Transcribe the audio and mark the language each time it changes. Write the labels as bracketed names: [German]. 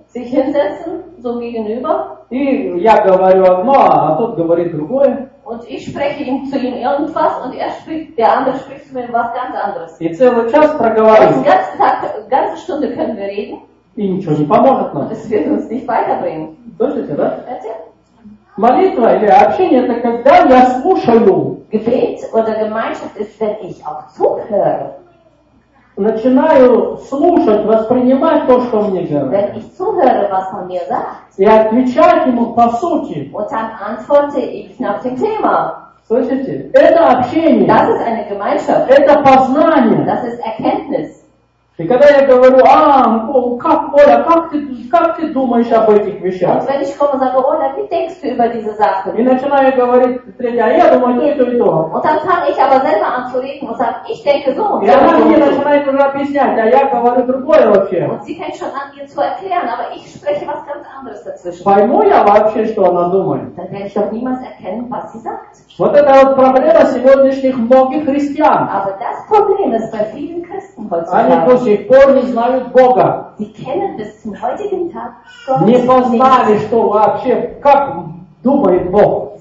[German] sich hinsetzen, so gegenüber. [Russian] И я говорю одно, а тот говорит другое. [German] Und ich spreche ihm zu ihm irgendwas und er spricht, der andere spricht zu mir was ganz anderes. [Russian] И целый час проговариваем. [German] Den ganzen Tag, ganze Stunde können wir reden. [Russian] И ничего не поможет нам. [German] Das wird uns nicht weiterbringen. [Russian] Слышите, да? Это? Молитва или общение это когда я слушаю. [German] Gebet oder Gemeinschaft ist, wenn ich auch zuhöre. [Russian] Начинаю слушать, воспринимать то, что он мне говорит. [German] Zuhöre, was man mir sagt. [Russian] И отвечать ему по сути. [German] Und dann antworte ich nach dem Thema. [Russian] Слышите? Это общение. [German] Das ist eine Gemeinschaft. [Russian] Это познание. [German] Das ist Erkenntnis. [Russian] И когда я говорю, Оля, как ты думаешь об этих вещах? [German] Und wenn ich komme, sage, Оля, wie denkst du über diese Sachen? [Russian] И начинаю говорить, третья, я думаю, то. [German] Und dann fange ich aber selber an zu reden und sage, ich denke so. [Russian] И она мне начинает уже объяснять, а я говорю другое вообще. [German] Und sie fängt schon an, mir zu erklären, aber ich spreche was ganz anderes dazwischen. [Russian] Пойму я вообще, что она думает? [German] Dann werde ich doch niemals erkennen, was sie sagt. [Russian] Вот это вот проблема сегодняшних многих христиан. [German] Aber das Problem ist bei vielen Christen heutzutage. [Russian] До сих пор не знают Бога. Не познали, что вообще, как думает Бог.